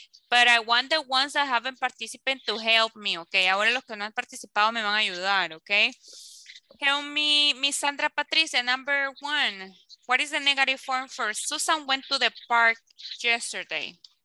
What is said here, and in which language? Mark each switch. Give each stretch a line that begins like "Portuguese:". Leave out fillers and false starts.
English: But I want the ones that haven't participated to help me, okay?
Spanish: Ahora los que no han participado me van a ayudar, okay?
English: Help me, Miss Sandra Patricia, number one. What is the negative form for Susan went to the park yesterday?